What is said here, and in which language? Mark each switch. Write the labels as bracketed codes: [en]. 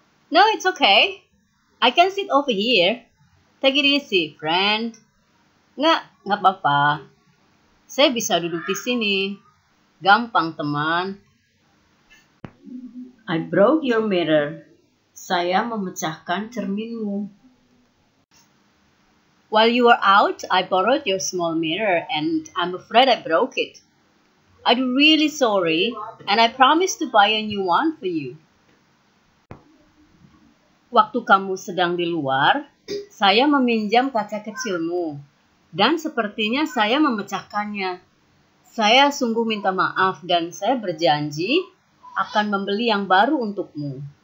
[en] No, it's okay. I can sit over here. Take it easy, friend. [id] Nggak apa-apa. Saya bisa duduk di sini. Gampang, teman. [en] I broke your mirror. [id] Saya memecahkan cerminmu. [en] While you were out, I borrowed your small mirror and I'm afraid I broke it. I'm really sorry and I promise to buy a new one for you. [id] Waktu kamu sedang di luar, saya meminjam kaca kecilmu dan sepertinya saya memecahkannya. Saya sungguh minta maaf dan saya berjanji akan membeli yang baru untukmu.